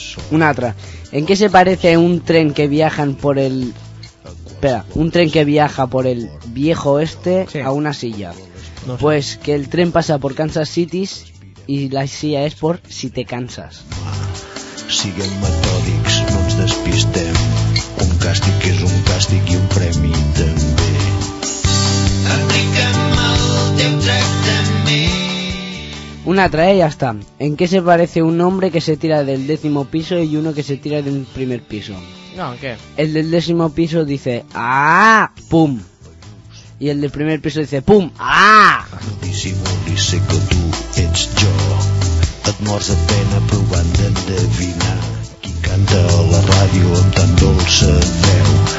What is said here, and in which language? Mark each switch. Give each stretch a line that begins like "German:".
Spanish: Una otra. ¿En qué se parece un tren que viajan por el... Espera, un tren que viaja por el viejo oeste, sí, a una silla? No sé. Pues que el tren pasa por Kansas City y la silla es por si te cansas.
Catalan: Siguem metòdics, no ens despistem. Un càstig és un càstig i un premi també. Apliquem el teu tractament. Una altra, ja està.
Spanish: ¿En què se parece un hombre que se tira del décimo piso y uno que se tira del primer piso? No, ¿en qué? El del décimo piso dice ¡ah! ¡Pum! Y el del primer piso dice ¡pum! ¡Ah!
Catalan: No dissimulis, sé que tu ets jo. Et mors a pena provant d'endevinar qui canta a la ràdio amb tan dolça veu.